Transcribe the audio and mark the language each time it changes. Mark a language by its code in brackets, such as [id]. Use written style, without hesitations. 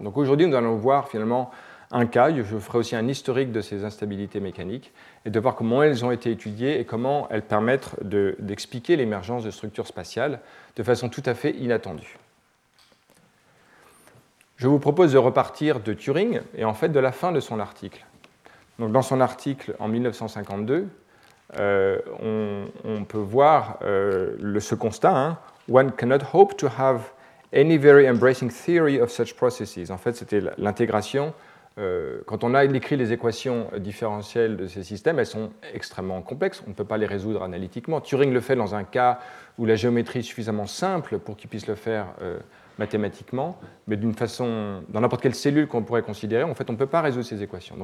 [fr] Donc aujourd'hui, nous allons voir finalement un cas, je ferai aussi un historique de ces instabilités mécaniques, et de voir comment elles ont été étudiées et comment elles permettent d'expliquer l'émergence de structures spatiales de façon tout à fait inattendue. Je vous propose de repartir de Turing et en fait de la fin de son article. Donc dans son article en 1952, on peut voir ce constat. [en] Hein, « One cannot hope to have any very embracing theory of such processes ». [fr] En fait, c'était l'intégration. Quand on a écrit les équations différentielles de ces systèmes, elles sont extrêmement complexes. On ne peut pas les résoudre analytiquement. Turing le fait dans un cas où la géométrie est suffisamment simple pour qu'il puisse le faire mathématiquement, mais d'une façon, dans n'importe quelle cellule qu'on pourrait considérer, en fait, on ne peut pas résoudre ces équations.